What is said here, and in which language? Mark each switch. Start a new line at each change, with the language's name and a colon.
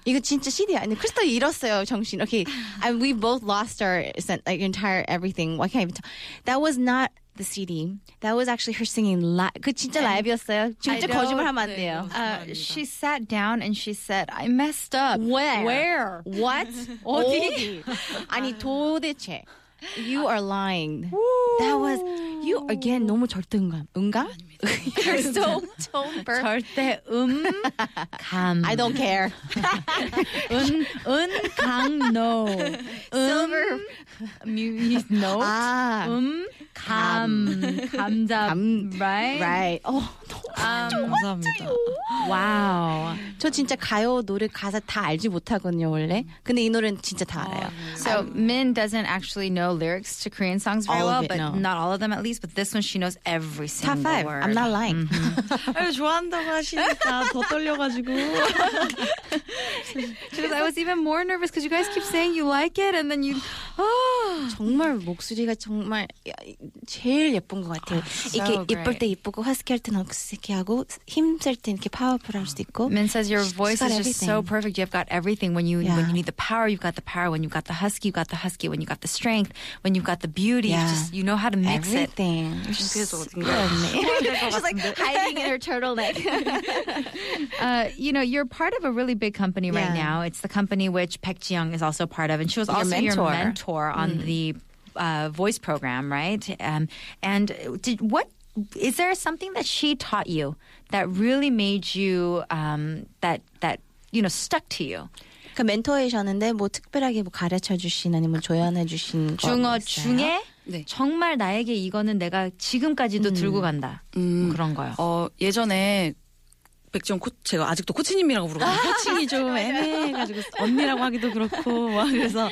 Korean: 이거 진짜 CD 아니에요. 크리스탈 잃었어요, 정신.
English: Okay. We both lost our like, entire everything. Why can't I even talk? That was not the CD. That was actually her singing live.
Korean: 그 진짜 라이브였어요. 진짜 거짓말 하면 안 돼요. 네,
English: she sat down and she said, I messed up. Where? What?
Korean: 어디? 아니, 도대체.
English: You are lying. That was you again.
Korean: 너무 절대음감. 음감?
English: You're so tone perfect.
Korean: 절대음감.
English: I don't care.
Korean: 음감 no.
English: Silver music no.
Korean: 아, 음감 감잡. Right.
English: Right.
Korean: Oh. 감사합니다. 와우. 저 진짜 가요 노래 가사 다 알지 못하거든요, 원래. 근데 이 노래는 진짜 다 알아요.
English: So Min doesn't actually know lyrics to Korean songs very well, but not all of them at least, but this one she knows every single word. Top 5. I'm not lying.
Korean: 좋아한다고 하시니까 더 떨려가지고.
English: Because I was even more nervous because you guys keep saying you like it and then you...
Korean: 정말 목소리가 정말 제일 예쁜 것 같아요. 이게 예쁠 때 예쁘고 허스키할 때는 허스키하고 힘쓸 때 이렇게 파워풀할 수도 있고.
English: Min says your voice is just so perfect. You've got everything. When you when you need the power, you've got the power. When you've got the husky, you've got the husky. When you've got the strength, when you've got the beauty, you know how to mix it. Everything. She's like hiding in her turtleneck. You know, you're part of a really big company right now. It's the company which Baek Ji-young is also part of, and she was also your mentor. On the voice program, right? And did what is there something that she taught you that really made you that you know stuck to you?
Korean: 그 멘토이셨는데 뭐 특별하게 뭐 가르쳐 주신 아니면 조언해 주신 중어 중에 네. 정말 나에게 이거는 내가 지금까지도 들고 간다 그런 거요. 예전에 백지영 코치, 제가 아직도 코치님이라고 부르거든요. 코칭이 좀 애매해가지고 언니라고 하기도 그렇고 막 그래서